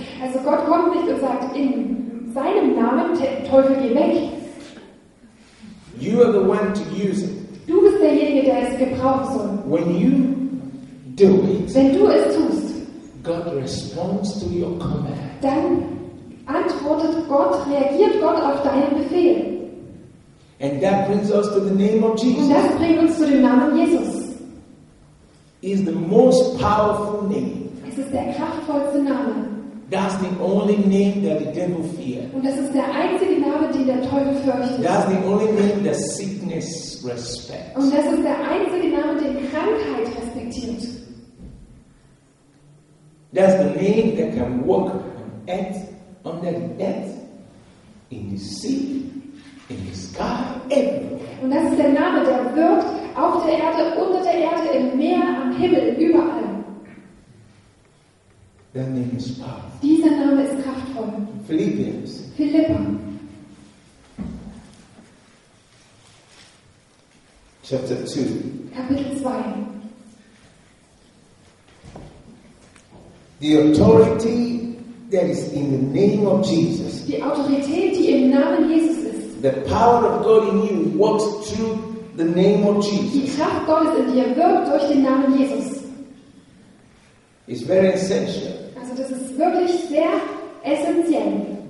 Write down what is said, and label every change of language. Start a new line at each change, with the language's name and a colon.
German: Also Gott kommt nicht und sagt, in seinem Namen, Teufel geh weg.
English: You are the one to use it.
German: Du bist derjenige, der es gebrauchen soll.
English: When you do it,
German: wenn du es tust,
English: God responds to your command.
German: Dann antwortet Gott, reagiert Gott auf deinen Befehl.
English: And that brings us to the name of Jesus.
German: Und das bringt uns zu dem Namen Jesus.
English: Is the most powerful name.
German: Es ist der kraftvollste Name.
English: That's the only name that the devil fears.
German: Und das ist der einzige Name, den der Teufel fürchtet.
English: That's the only name that sickness respects.
German: Und das ist der einzige Name, den Krankheit respektiert.
English: That's the name that can walk on earth, under the earth, in the sea, in the sky, everywhere.
German: Und das ist der Name, der wirkt auf der Erde, unter der Erde, im Meer, am Himmel, überall.
English: That name is powerful.
German: Dieser Name ist kraftvoll.
English: Philippians.
German: Philippa.
English: Chapter 2.
German: Kapitel 2.
English: The authority that is in the name of Jesus.
German: Die Autorität, die im Namen Jesus ist.
English: The power of God in you works through the name of Jesus.
German: Die Kraft Gottes in dir wirkt durch den Namen Jesus.
English: It's very essential.
German: Das ist wirklich sehr essentiell.